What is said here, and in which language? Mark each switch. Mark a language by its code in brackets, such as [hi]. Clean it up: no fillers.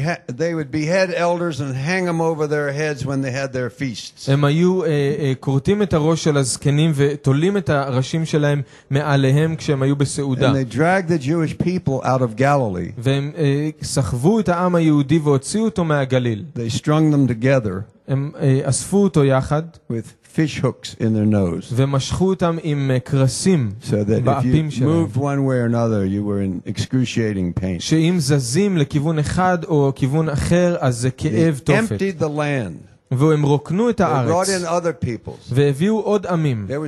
[en] They would behead elders and hang them over their heads when they had their feasts. [he] הם היו כורתים את הראש של הזקנים ותולים את הראשים שלהם מעל הם כשהם היו בסעודה. [en] And they dragged the Jewish people out of Galilee. [he] והם סחבו את העם היהודי והוציאו אותו מהגליל. [en] They strung them together. [he] הם אספו אותו יחד. [en] With fish hooks in their nose. [he] ומשכו אותם עם קרסים באפים שלהם. [en] So that if you moved one way or another, you were in excruciating pain. [he] שאם זזים לכיוון אחד או כיוון אחר, אז זה כאב תופת. [en] They emptied the land. [he] והם רוקנו את הארץ והביאו עוד עמים